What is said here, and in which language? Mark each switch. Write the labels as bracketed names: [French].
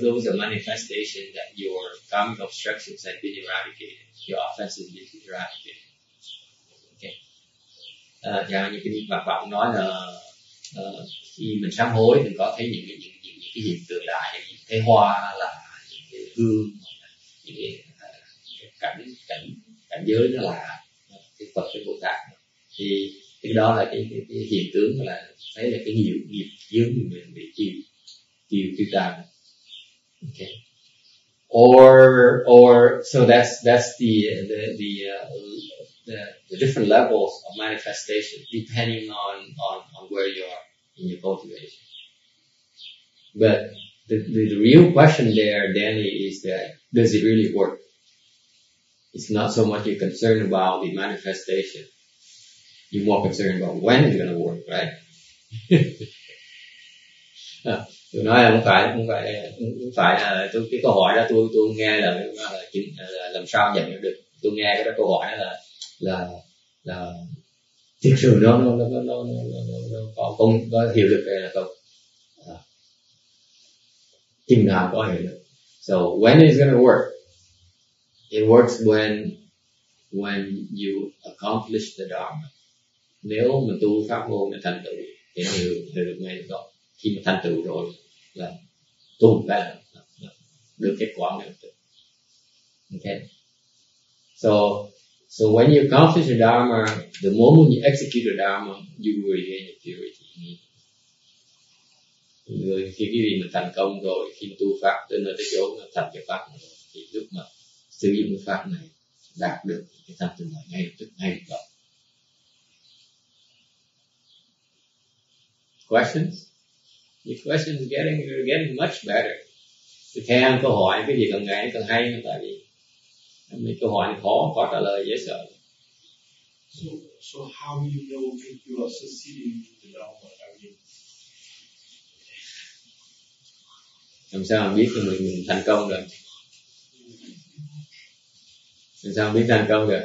[English] Those are manifestations that your karmic obstructions have been eradicated, your offenses have been eradicated. Okay. [Vietnamese] Chẳng như kinh Phạm Vọng nói là khi mình sám hối mình có thấy những cái hiện tượng lạ, những cái hoa là những cái hương, những cái cảnh giới nó là cái Phật, cái Bồ Tát, thì cái đó là cái hiện tượng là thấy là cái nghiệp dướng mình bị tiêu tan. [English] Okay. Or so that's the different levels of manifestation depending on where you are in your cultivation. But the real question there, Danny, is that does it really work? It's not so much you're concerned about the manifestation. You're more concerned about when it's going to work, right? [Vietnamese] Tôi nói là không phải là tôi, cái câu hỏi đó tôi nghe là làm sao nhận được. Tôi nghe cái đó, câu hỏi đó là thực sự nó có hiệu lực hay là không, khi nào có hiệu lực. [English] So when is gonna work? It works when you accomplish the dharma. [Vietnamese] Nếu mà tu pháp môn mà thành tựu thì hiệu lực ngay lúc đó. Khi mà thành tựu rồi là tu là được kết quả ngay lúc đó. [English] Okay. So when you accomplish the dharma, the moment you execute the dharma, you will regain your purity. [Vietnamese] Khi cái gì mà thành công rồi, khi tu pháp tới nơi tới chỗ mà thành cái pháp rồi, thì lúc mà sử dụng cái pháp này đạt được cái thành tựu này ngay lập tức, ngay lập tức. [English] Questions? Your questions getting much better. [Vietnamese] Thì khi anh có hỏi cái gì càng ngày càng hay, tại vì mấy câu hỏi khó trả lời dễ sợ. [English] So how you know if you are succeeding in the dharma? I mean, [Vietnamese] làm sao mà biết mình thành công được? Làm sao mà biết thành công được?